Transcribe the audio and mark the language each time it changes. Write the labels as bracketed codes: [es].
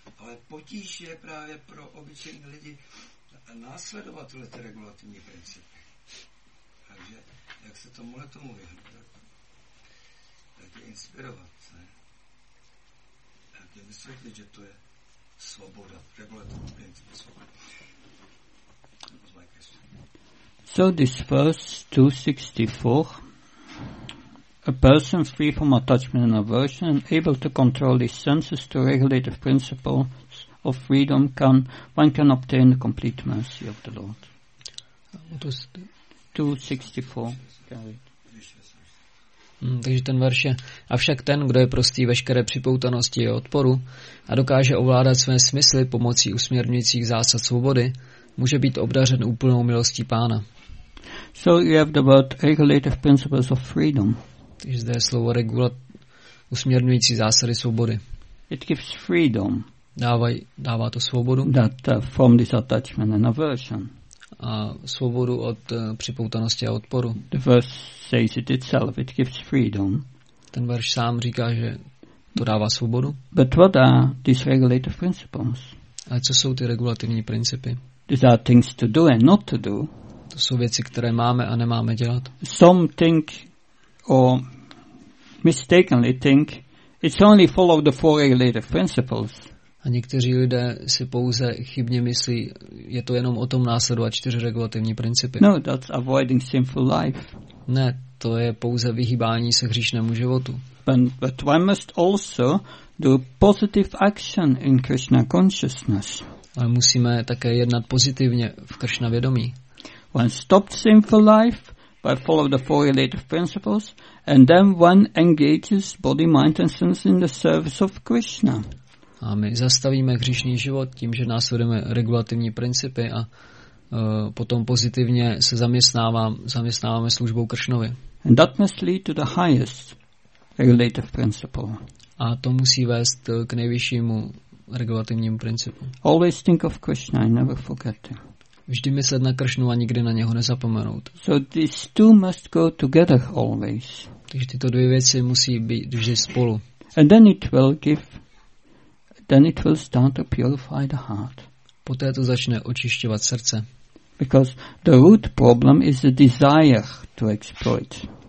[cs] Ale potíž je právě pro obyčejní lidi následovat tyhle ty regulativní principy. Takže jak se tomuhle tomu vyhnout, tak je inspirovat, ne? Jak je vysvětlit, že to je svoboda, regulativní princip svobody. [en] That was my question. So this verse 264, a person free from attachment and aversion and able to control his senses to regulate the principles of freedom can, one can obtain the complete mercy of the Lord. What was the 264. [cs] Takže ten verš je. Avšak ten, kdo je prostý veškeré připoutanosti a odporu a dokáže ovládat své smysly pomocí usměrňujících zásad svobody, může být obdařen úplnou milostí pána. [en] So you have the word regulative principles of freedom. [cs] Takže zde je slovo regulat, usměrňující zásady svobody. [en] It gives freedom. [cs] Dává to svobodu. [en] That from this attachment and aversion. [cs] A svobodu od připoutanosti a odporu. [en] The verse says it itself. It gives freedom. [cs] Ten verš sám říká, že to dává svobodu. [en] But what are these regulative principles? [cs] A co jsou ty regulativní principy? [en] These are things to do and not to do. [cs] To jsou věci, které máme a nemáme dělat. [en] Some think or mistakenly think it's only follow the four regulative principles. [cs] A někteří lidé si pouze chybně myslí, je to jenom o tom následovat čtyři regulativní principy. [en] No, that's avoiding sinful life. [cs] Ne, to je pouze vyhýbání se hříšnému životu. [en] But one must also do positive action in Krishna consciousness. [cs] Ale musíme také jednat pozitivně v Krishna vědomí. [en] One stops sinful life by following the four related principles, and then one engages body, mind, and sense in the service of Krishna. [cs] A my zastavíme hříšný život tím, že následujeme regulativní principy a potom pozitivně se zaměstnáváme službou Kršnovi. [en] And that must lead to the highest regulative principle. [cs] A to musí vést k nejvyššímu regulativnímu principu. [en] Always think of Krishna, I never forget him. [cs] Vždy myslet na Kršnu a nikdy na něho nezapomenout. [en] So these two must go together always. [cs] Takže tyto dvě věci musí být vždy spolu. [en] And then it will give. Then it will start to purify the heart. [cs] Poté to začne očišťovat srdce. [en] Because the root problem is the desire to exploit.